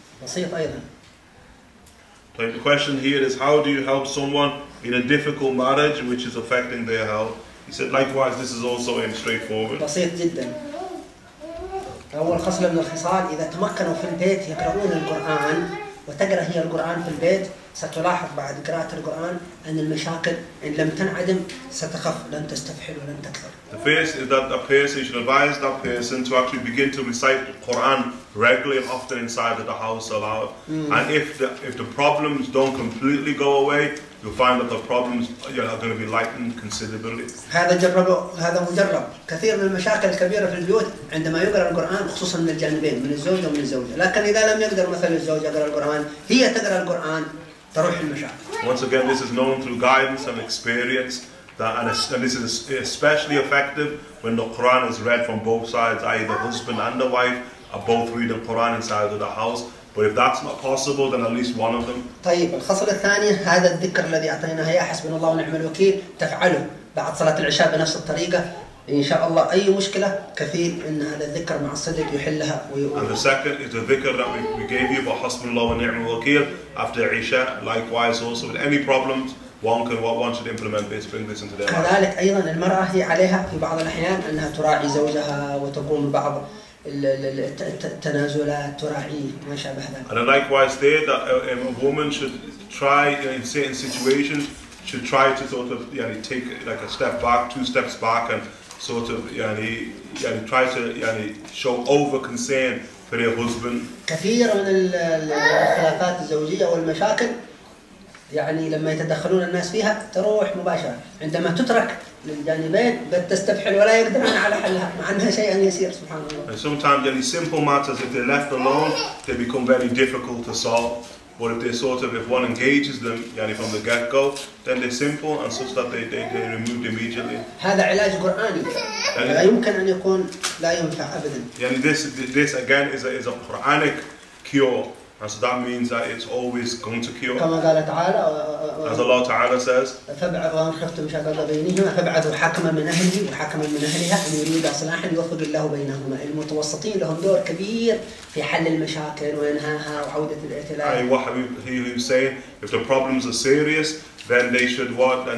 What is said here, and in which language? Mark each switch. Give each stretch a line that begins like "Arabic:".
English: So the question here is, how do you help someone in a difficult marriage which is affecting their health? He said, likewise, this is also in straightforward.
Arabic: الخصال, إذا تمكنوا في البيت يقرؤون القرآن وتقرأ هي القرآن في البيت ستلاحظ بعد قراءة القرآن أن المشاكل إن لم تنعدم ستخف لن تستفحل ولن تكثر.
English: The first is that a person, you should advise that person to actually begin to recite the Quran regularly and often inside of the house aloud. And if the problems don't completely go away, you'll find that the problems are going to be lightened considerably.
Arabic: هذا مجرب. كثير من المشاكل الكبيرة في البيوت عندما يقرأ القرآن خصوصا من الجانبين من الزوج ومن الزوجة. لكن إذا لم يقدر مثلا الزوج يقرأ القرآن هي تقرأ القرآن تروح المشاكل.
English: Once again, this is known through guidance and experience. And this is especially effective when the Quran is read from both sides, i.e. the husband and the wife are both reading the Quran inside of the house. But if that's not possible, then at least one of them.
Arabic: طيب الخصلة الثانية هذا الذكر الذي أعطيناها يا حسب الله ونعم الوكيل تفعله بعد صلاة العشاء بنفس الطريقة إن شاء الله أي مشكلة كثير إن هذا الذكر مع الصدق يحلها ويؤول.
English: And the second is the dhikr that we gave you,
Arabic: بحسب الله ونعم الوكيل
English: after عشاء. Likewise also with any problems, One should implement this, bring this into their life.
Arabic: كذلك أيضا المرأة هي عليها في بعض الأحيان أنها تراعي زوجها وتقوم بعض التنازلات تراعي ما شابه ذلك.
English: And likewise, a woman should try in certain situations should try to sort of take like a step back, two steps back, and sort of try to show over concern for her husband.
Arabic: كثير من الخلافات الزوجية والمشاكل. يعني لما يتدخلون الناس فيها تروح مباشرة عندما تترك للجانبين بل تستفحل ولا يقدرون على حلها مع أنها شيئا يسير سبحان الله.
English: And sometimes any simple matters if they're left alone they become very difficult to solve. But if they sort of if one engages them from the get go then they're simple and such that they removed immediately.
Arabic: هذا علاج قرآني لا يمكن أن يكون لا ينفع أبدا.
English: This again is a Quranic cure. And so that means that it's always going to cure. As Allah Ta'ala says, he who's saying, if the problems are serious, then they should what?